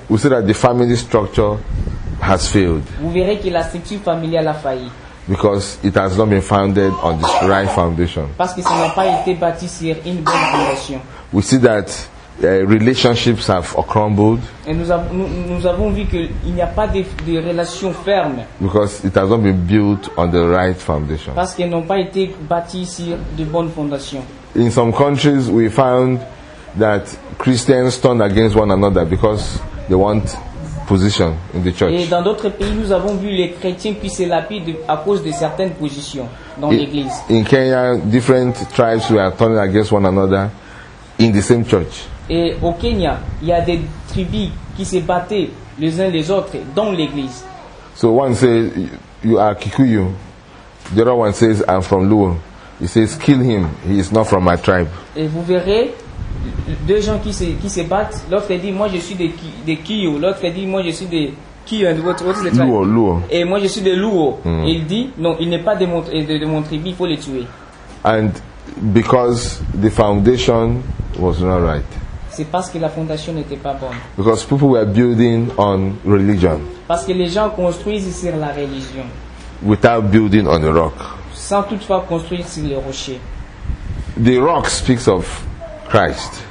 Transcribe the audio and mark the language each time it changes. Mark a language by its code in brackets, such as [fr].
[en] We see that the family structure has failed. [fr] Vous verrez que la structure familiale a failli. [en] Because it has not been founded on the right foundation. [fr] Parce que ça n'a pas été bâti sur une bonne fondation. [en] We see that Relationships have crumbled. [fr] Et nous avons vu que il n'y a pas de relations fermes. [en] Because it has not been built on the right foundation. [fr] Parce qu'elles n'ont pas été bâties sur de bonnes fondations. [en] In some countries, we found that Christians turn against one another because they want position in the church. [fr] Et dans d'autres pays, nous avons vu les chrétiens qui se lapident à cause de certaines positions dans l'église. [en] In Kenya, different tribes were turning against one another in the same church. [fr] Et au Kenya, il y a des tribus qui se battaient les uns les autres dans l'église. [en] So one says you are Kikuyu. The other one says I'm from Luo. He says kill him. He is not from my tribe. [fr] Et vous verrez deux gens qui se battent. L'autre dit moi je suis de Kiyo. L'autre dit moi je suis de Kiyo. Luo. Et moi je suis de Luo. Mm. Il dit non, il n'est pas de mon tribu, il faut le tuer. [en] And because the foundation was not right. [fr] C'est parce que la fondation n'était pas bonne. [en] Because people were building on religion. [fr] Parce que les gens construisent sur la religion. [en] Without building on the rock. [fr] Sans toutefois construire sur le rocher. [en] The rock speaks of Christ.